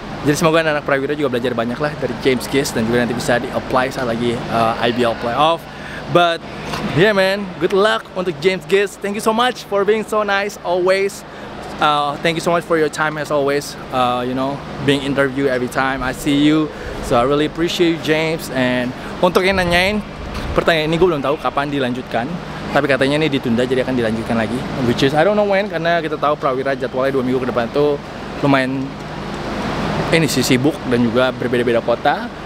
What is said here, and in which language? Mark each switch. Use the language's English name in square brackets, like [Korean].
[Indonesian] Jadi semoga anak-anak Prawira juga belajar banyak lah dari James Gist dan juga nanti bisa di-apply saat lagi IBL playoff. [English] But yeah man, good luck [Indonesian] untuk [English] James Gist. Thank you so much for being so nice always. Thank you so much for your time as always, you know, being interviewed every time I see you. So I really appreciate you James. [Indonesian] And untuk yang nanyain, pertanyaan ini gue belum tahu kapan dilanjutkan. Tapi katanya ini ditunda jadi akan dilanjutkan lagi. [English] Which is I don't know when, [Indonesian] karena kita tahu Prawira jadwalnya 2 minggu ke depan tuh lumayan ini sih sibuk dan juga berbeda-beda kota.